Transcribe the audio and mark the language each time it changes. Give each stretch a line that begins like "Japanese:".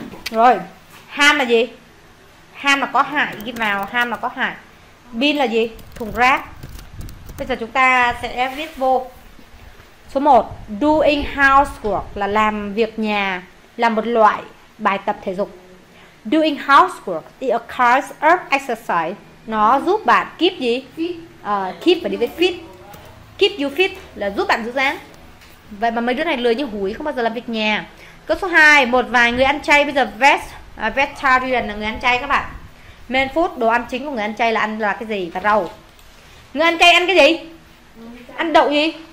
Vietnamese: Rồi. Ham là gì? Ham là có hại, ghi vào ham là có hại. Bin là gì? Thùng rác. Bây giờ chúng ta sẽ viết vô. Số 1,
English: doing housework
Vietnamese: là làm việc nhà, là một loại bài tập thể dục.
English: Doing housework is a kind of exercise.
Vietnamese: Nó giúp bạn keep gì? Keep và đi với fit.
English: Keep you fit
Vietnamese: là giúp bạn giữ dáng. Vậy mà mấy đứa này lười như hủi, không bao giờ làm việc nhà. Câu số 2, một vài người ăn chay bây giờ vest. Vegetarian là người ăn chay các bạn.
English: Main food,
Vietnamese: đồ ăn chính của người ăn chay là ăn là cái gì? Và rau. Người ăn chay ăn cái gì? Ăn đậu gì?